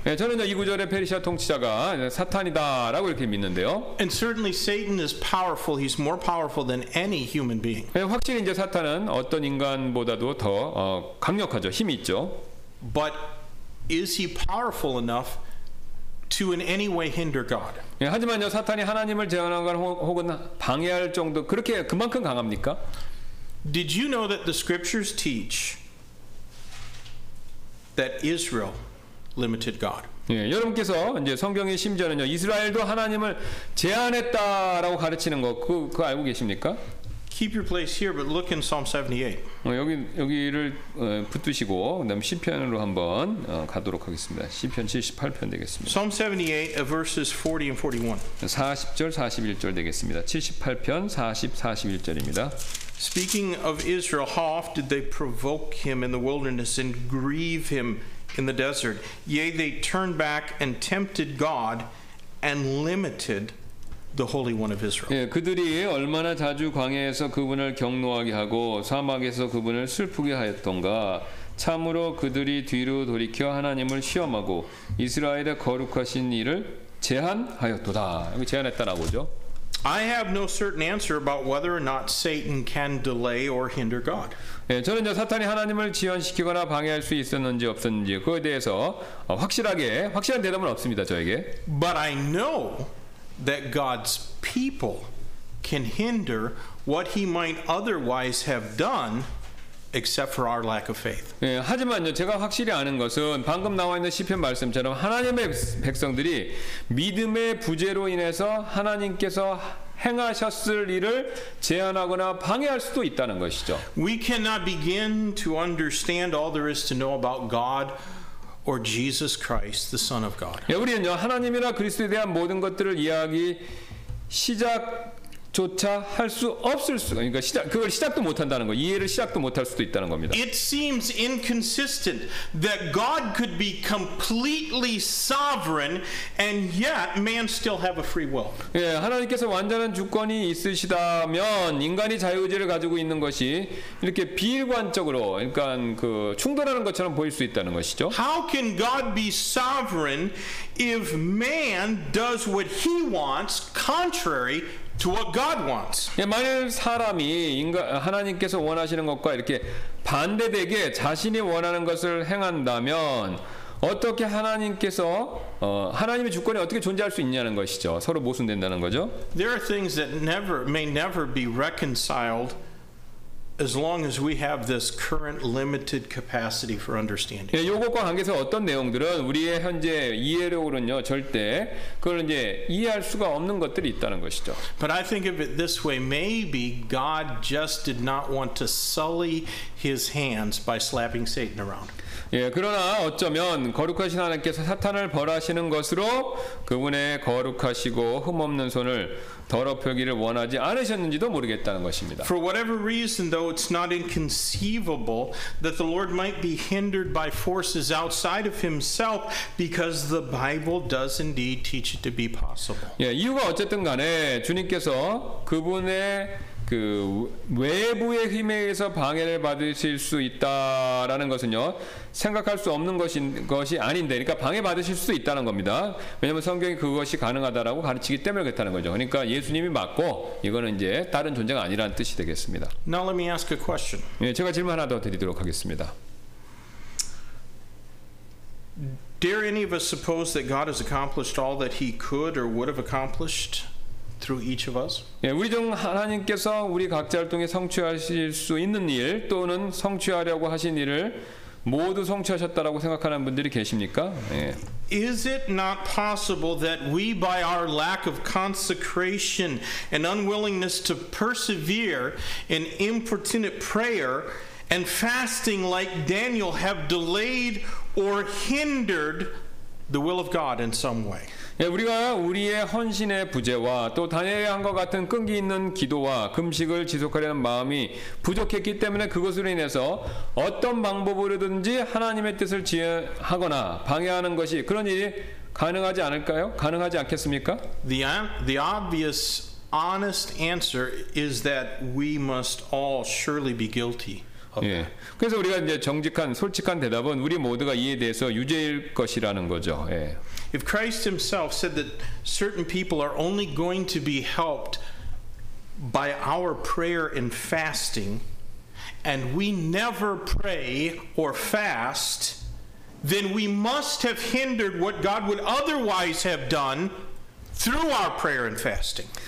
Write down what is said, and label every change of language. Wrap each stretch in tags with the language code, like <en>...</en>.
<ko>예, 저는 이 구절의 페르시아 통치자가 사탄이다라고 이렇게 믿는데요.</ko> <en>And certainly Satan is powerful. He's more powerful than any human being.</en> <ko>예, 확실히 이제 사탄은 어떤 인간보다도 더 강력하죠. 힘이 있죠.</ko> <en>But is he powerful enough to in any way hinder God?</en> <ko>예, 하지만요 사탄이 하나님을 제어하는 걸 혹은 방해할 정도 그렇게 그만큼 강합니까?</ko> <en>Did you know that the scriptures teach that Israel limited God?</en> <ko>예, 여러분께서 이제 성경의 심지어는요 이스라엘도 하나님을 제한했다라고 가르치는 거 그 알고 계십니까?</ko> <en>Keep your place here but look in Psalm 78.</en> <ko>여기를 붙드시고 그다음 시편으로 한번 가도록 하겠습니다. 시편 78편 되겠습니다.</ko> <en>Psalm 78 verses 40 and 41.</en> <ko>40절 41절 되겠습니다. 78편 40 41절입니다.</ko> <en>Speaking of Israel, how oft did they provoke him in the wilderness and grieve him in the desert? Yea, they turned back and tempted God and limited the Holy One of Israel.</en> <ko>예, 그들이 얼마나 자주 광야에서 그분을 경노하게 하고 사막에서 그분을 슬프게 하였던가. 참으로 그들이 뒤로 돌이켜 하나님을 시험하고 이스라엘의 거룩하신 이를 제한하였도다. 여기 제한했다라고죠.</ko> <en>I have no certain answer about whether or not Satan can delay or hinder God.</en> <ko>예, 저는 이제 사탄이 하나님을 지연시키거나 방해할 수 있었는지 없었는지 그거에 대해서 확실한 대답은 없습니다 저에게.</ko> <en>But I know that God's people can hinder what he might otherwise have done except for our lack of faith.</en> <ko>예, 하지만요 제가 확실히 아는 것은 방금 나와 있는 시편 말씀처럼 하나님의 백성들이 믿음의 부재로 인해서 하나님께서 행하셨을 일을 제한하거나 방해할 수도 있다는 것이죠.</ko> <en>We cannot begin to understand all there is to know about God or Jesus Christ, the Son of God.</en> <ko>예, 우리는요 하나님이나 그리스도에 대한 모든 것들을 이해하기 시작조차 할 수 없을 수, 그러니까 그걸 시작도 못한다는 거, 이해를 시작도 못할 수도 있다는 겁니다.</ko> <en>It seems inconsistent that God could be completely sovereign and yet man still have a free will.</en> <ko>예, 하나님께서 완전한 주권이 있으시다면 인간이 자유의지를 가지고 있는 것이 이렇게 비일관적으로, 그러니까 그 충돌하는 것처럼 보일 수 있다는 것이죠.</ko> <en>How can God be sovereign if man does what he wants contrary to what God wants?</en> <ko>예, 만일 사람이 하나님께서 원하시는 것과 이렇게 반대되게 자신이 원하는 것을 행한다면 어떻게 하나님께서 하나님의 주권이 어떻게 존재할 수 있냐는 것이죠. 서로 모순된다는 거죠.</ko> <en>There are things that may never be reconciled as long as we have this current limited capacity for understanding.</en> <ko>예, 요것과 관계해서 어떤 내용들은 우리의 현재 이해력으로는요 절대 그걸 이제 이해할 수가 없는 것들이 있다는 것이죠.</ko> <en>But I think of it this way: maybe God just did not want to sully his hands by slapping Satan around.</en> <ko>예, 그러나 어쩌면 거룩하신 하나님께서 사탄을 벌하시는 것으로 그분의 거룩하시고 흠없는 손을 더럽히기를 원하지 않으셨는지도 모르겠다는 것입니다.</ko> <en>For whatever reason, though, it's not inconceivable that the Lord might be hindered by forces outside of himself because the Bible does indeed teach it to be possible.</en> <ko>예, 이유가 어쨌든 간에 주님께서 그분의 그 외부의 힘에 의해서 방해를 받으실 수 있다라는 것은요 생각할 수 없는 것이 아닌데, 그러니까 방해 받으실 수 있다는 겁니다. 왜냐하면 성경이 그것이 가능하다라고 가르치기 때문에 그렇다는 거죠. 그러니까 예수님이 맞고 이거는 이제 다른 존재가 아니라는 뜻이 되겠습니다.</ko> <en>Now let me ask a question.</en> <ko>예, 제가 질문 하나 더 드리도록 하겠습니다.</ko> <en>Dare any of us suppose that God has accomplished all that he could or would have accomplished through each of us?</en> <ko>예, 우리 중 하나님께서 우리 각자를 통해 성취하실 수 있는 일 또는 성취하려고 하신 일을 모두 성취하셨다라고 생각하는 분들이 계십니까? 예.</ko> <en>Is it not possible that we by our lack of consecration and unwillingness to persevere in importunate prayer and fasting like Daniel have delayed or hindered the will of God in some way?</en> <ko>예, 우리가 우리의 헌신의 부재와 또 다니엘이 한 것 같은 끈기 있는 기도와 금식을 지속하려는 마음이 부족했기 때문에 그것으로 인해서 어떤 방법으로든지 하나님의 뜻을 지연하거나 방해하는 것이 그런 일이 가능하지 않을까요? 가능하지 않겠습니까?</ko> <en>The obvious honest answer is that we must all surely be guilty.</en> <ko>예, 그래서 우리가 이제 정직한 솔직한 대답은 우리 모두가 이에 대해서 유죄일 것이라는 거죠. 예.</ko> <en>If Christ himself said that certain people are only going to be helped by our prayer and fasting, and we never pray or fast, then we must have hindered what God would otherwise have done through our prayer and fasting.</en>